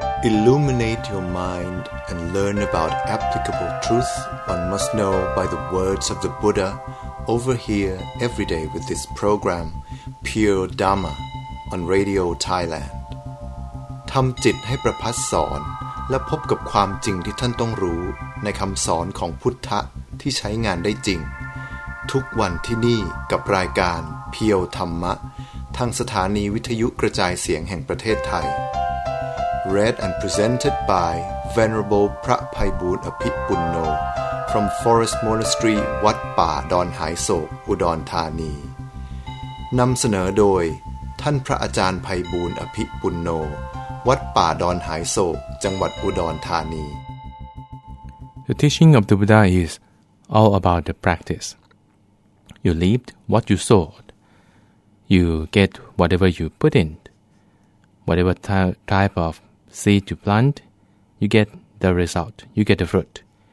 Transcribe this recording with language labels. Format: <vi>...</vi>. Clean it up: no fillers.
<en>Illuminate your mind and learn about applicable truth one must know by the words of the Buddha over here every day with this program, Pure Dharma, on Radio Thailand.</en> <th>ทำจิตให้ประพัสสอนและพบกับความจริงที่ท่านต้องรู้ในคำสอนของพุทธะที่ใช้งานได้จริงทุกวันที่นี่กับรายการเพียวธรรมะทางสถานีวิทยุกระจายเสียงแห่งประเทศไทย</th> <en>Read and presented by Venerable</en> <th>พระไพบูลย์อภิปุณโญ</th> <en>from Forest Monastery</en> <th>วัดป่าดอนหายโศกอุดรธานีนำเสนอโดยท่านพระอาจารย์ไพบูลย์อภิปุณโญวัดป่าดอนหายโศกจังหวัดอุดรธานี</th> <en>The teaching of the Buddha is all about the practice. You reaped what you sowed. You get whatever you put in. Whatever type of seed you plant, you get the result. You get the fruit.</en>